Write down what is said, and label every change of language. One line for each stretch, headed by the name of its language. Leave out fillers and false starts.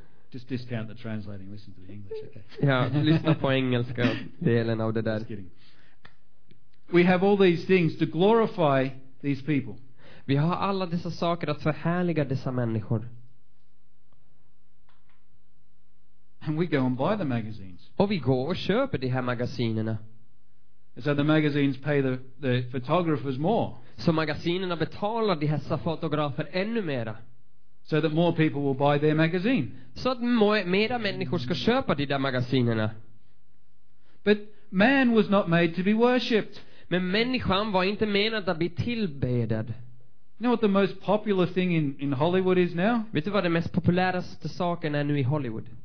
English: Just discount the translating, listen to the English,
Swedish: okay? Ja, lyssna på engelska delen av det där.
English: Just kidding. We have all these things to glorify these people.
Swedish: Vi har alla dessa saker att förhärliga dessa människor.
English: And we go and buy the magazines.
Swedish: Och vi går och köper de här magasinerna.
English: So the magazines pay the photographers more.
Swedish: Så magasinerna betalar de här fotografer ännu mera.
English: So that more people will buy their magazine.
Swedish: Så att mera människor ska köpa de där magasinerna.
English: But man was not made to be worshipped.
Swedish: Men människan var inte menad att bli tillbedad.
English: You know what the most popular thing in Hollywood is now?
Swedish: Vet du vad det mest populäraste saken är nu I Hollywood?